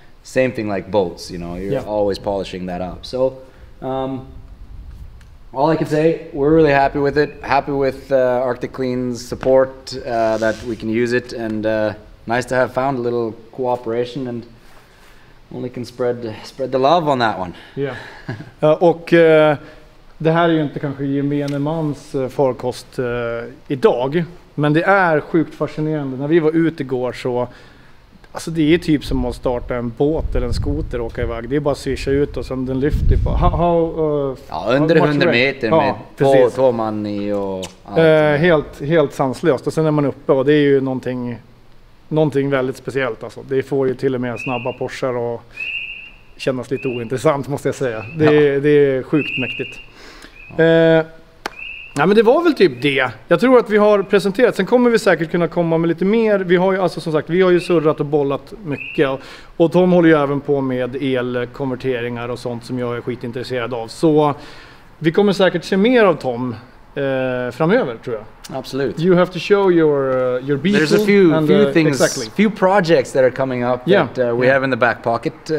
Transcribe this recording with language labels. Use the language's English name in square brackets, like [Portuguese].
[English] Same thing like boats, you know, you're always polishing that up. So, all I can say, we're really happy with it. Happy with Arcticlean's support that we can use it, and nice to have found a little cooperation, and only can spread the love on that one. Yeah. [Swedish] Och det här är ju inte kanske gemene mans farkost idag, men det är sjukt fascinerande. När vi var ute igår så, alltså det är typ som att starta en båt eller en skoter och åka iväg. Det är bara att swisha ut och sen den lyfter på. Under 100 meter med två man i och allt. Helt sanslöst. Och sen är man uppe och det är ju någonting väldigt speciellt. Alltså. Det får ju till och med snabba Porschar och kännas lite ointressant, måste jag säga. Det är sjukt mäktigt. Ja, men det var väl typ det. Jag tror att vi har presenterat. Sen kommer vi säkert kunna komma med lite mer. Vi har ju, alltså som sagt, vi har ju surrat och bollat mycket. Och Tom håller ju även på med elkonverteringar och sånt som jag är skitintresserad av. Så vi kommer säkert se mer av Tom framöver, tror jag. Absolut. [English] You have to show your beetle. There's a few things, exactly. Few projects that are coming up that we have in the back pocket.